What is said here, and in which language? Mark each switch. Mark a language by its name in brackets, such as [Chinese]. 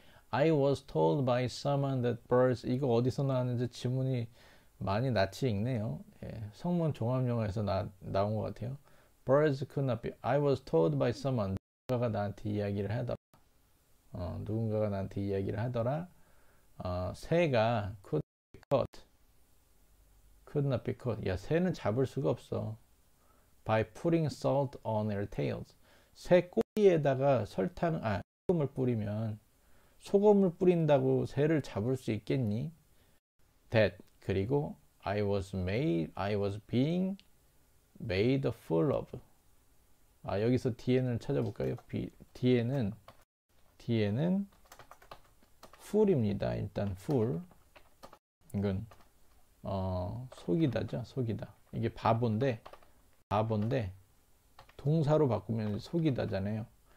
[English] I was told by someone that birds [Korean] 이거 어디서 나왔는지 지문이 많이 낯이 익네요. 예, 성문 종합영어에서 나온 것 같아요. [English] Birds could not be. I was told by someone [Korean] 누군가가 나한테 이야기를 하더라. 누군가가 나한테 이야기를 하더라. 새가 [English] could not be caught. Could not be caught. [Korean] 야, 새는 잡을 수가 없어. [English] By putting salt on their tails. [Korean] 새 꼬리에다가 소금을 뿌리면 소금을 뿌린다고 새를 잡을 수 있겠니? [English] That 그리고 I was being made a fool of. [Korean] 아 여기서 뒤에는 찾아볼까요? 뒤에는 fool입니다. 일단 fool 이건 속이다죠. 속이다. 이게 바본데 동사로 바꾸면 속이다잖아요.